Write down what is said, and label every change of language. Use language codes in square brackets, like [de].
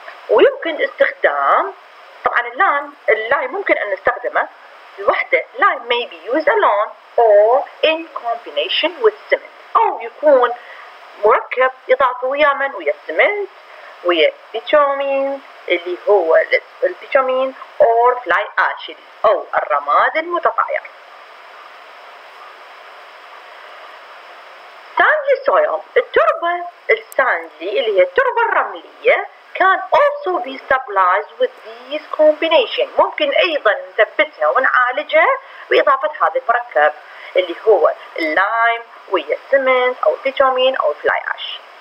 [ar] ويمكن استخدام طبعا اللايم ممكن أن نستخدمه لوحده. [en] Lime may be used alone or in combination with cement. [ar] أو يكون مركب إضافي ويا من؟ ويا السمنت ويا بيتومين اللي هو البيتومين [en] or fly ash [ar] أو الرماد المتطاير. [en] Sandy soil [ar] التربة الساندي اللي هي التربة الرملية [en] can also be stabilized with these combination. [ar] ممكن أيضا نثبتها ونعالجها بإضافة هذا المركب اللي هو اللايم ويا السمنت أو بيتومين أو fly ash.